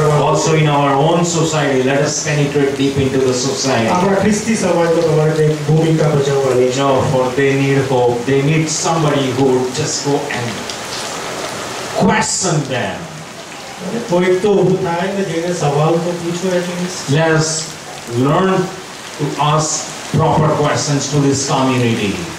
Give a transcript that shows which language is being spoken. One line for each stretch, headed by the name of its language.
English: also in our own society, let us penetrate deep into the society.
Gujarati: આપણા ખ્રિસ્તી સમાજમાં તમારે એક ભૂમિકા ભજવવાની છે.
English: For they need hope, they need somebody who would just go and question them.
Gujarati: કોઈ તો ઊભું થાય ને જેને સવાલ તો પૂછો.
English: Let us learn to ask proper questions to this community.